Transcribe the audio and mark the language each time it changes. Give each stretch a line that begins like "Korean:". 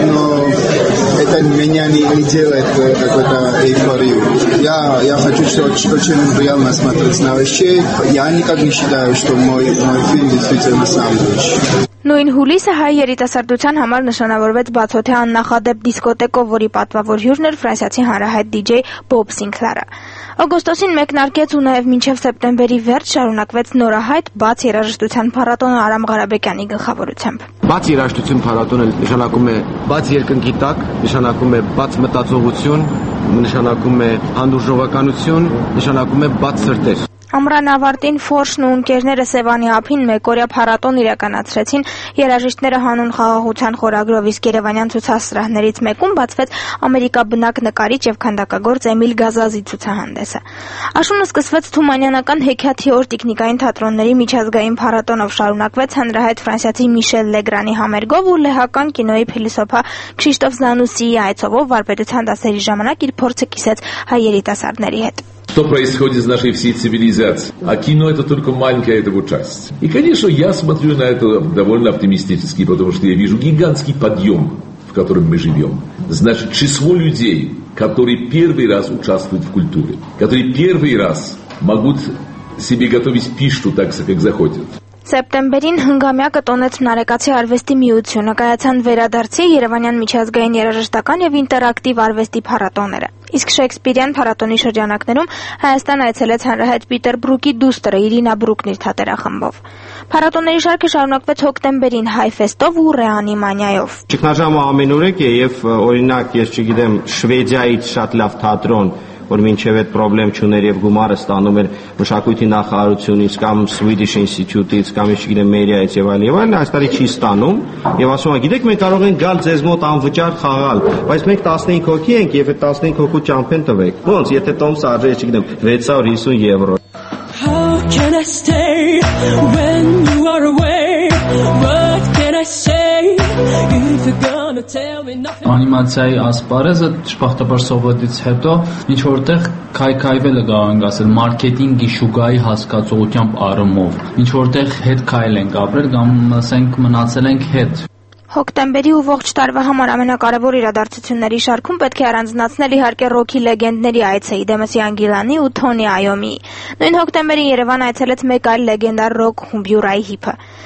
Russian: Это меня не делает какой-то эйфорию. Я хочу очень приятно смотреть на вещей. Я никак не считаю, что мой фильм действительно сам лучший.
Armenian: Նույն հուլիսը հայ երիտասարդության համար նշանավորվեց բացօթյա աննախադեպ դիսկոտեկով, որի պատվավոր հյուրն էր ֆրանսիացի հանրահայտ դիջեյ Բոբ Սինկլարը։ Օգոստոսին մեկնարկեց ու նաև մինչև սեպտեմբերի վերջ շարունակվեց նորահայտ բաց երաժշտության փառատոնը Արամ Ղարաբեկյանի գլխավորությամբ։ Բաց երաժշտություն փառատոնը նշանակում է բաց երկնքի տակ, նշանակում է բաց մտածողություն, նշանակում է հանդուրժողականություն, նշանակում է բաց սրտեր։ Ամրան ավարտին Ֆորշն ու ընկերները Սևանի ափին մեկօրյա փառատոն իրականացրեցին երաժիշտները հանուն խաղաղության խորագրով, իսկ Երևանյան ցուցասրահներից մեկում բացվեց Ամերիկա բնակ նկարիչ եւ քանդակագործ Էմիլ Գազազի ցուցահանդեսը։ Աշունը սկսվեց Թումանյանական Հեքիաթի օր տիկնիկային թատրոնների միջազգային փառատոնով, շարունակվեց հանրահայտ ֆրանսիացի Միշել Լեգրանի համերգով ու լեհական կինոյի փիլիսոփա Քրիստոֆ Զանուսիի այցովով վարպետության դասերի ժամանակ իր փորձը կիսեց հայ երիտասարդների հետ։
Russian: Что происходит с нашей всей цивилизацией? А кино это только маленькая его часть. И, конечно, я смотрю на это довольно оптимистически, потому что я вижу гигантский подъем, в котором мы живем. Значит, число людей, которые первый раз участвуют в культуре, которые первый раз могут себе готовить пищу так, как захотят.
Armenian: Սեպտեմբերին հնգամյակը տոնեց Նարեկացի արվեստի միությունը, կայացան վերադարձի Երևանյան միջազգային երաժշտական եւ ինտերակտիվ արվեստի փառատոները։ Իսկ Շեքսպիրյան փառատոնի շրջանակներում Հայաստան այցելեց հանրահայտ Պիտեր Բրուկի դուստրը Իրինա Բրուկնիր թատերախմբով։ Փառատոների շարքը շարունակվեց հոկտեմբերին Հայֆեստով ու Ռեանիմանիայով։ Ճգնաժամը ամենուրեք է եւ օրինակ ես չգիտեմ Շվեդիայից շատ լավ թատրոն, որ մինչև այդ պրոբլեմ չուներ եւ գումարը ստանում էր մշակույթի նախարարությունից կամ Swedish Institute-ից կամ ինչ գիտեմ Մերիայից եւ այլն, այս տարի չի ստանում եւ ասում են, գիտեք, մենք կարող ենք գալ ձեզ մոտ անվճար խաղալ, բայց մենք 15 հոգի ենք եւ այդ 15 հոգու ճամփեն տվեք։ Ոնց, եթե տոմս արժե, ինչ գիտեմ, 650 եվրո։
English: How can I stay when you are away? What can I say if
Armenian: Անիմացիայի ասպարեզը շփախտաբար սովետից հետո ինչ որտեղ քայքայվել է, կարող ենք ասել, մարքեթինգի շուկայի հասկացողությամբ առումով, ինչ որտեղ հետ քայլ ենք ապրել կամ ասենք մնացել ենք հետ։ Հոկտեմբերի ու ողջ տարվա համար ամենակարևոր իրադարձությունների շարքում պետք է առանձնացնել իհարկե ռոքի լեգենդների այցեի Դեմսի Անգիլանի ու Թոնի Այոմի։ Նույն հոկտեմբերին Երևան այցելեց մեկ այլ լեգենդար ռոք հումբյուրայի հիփը։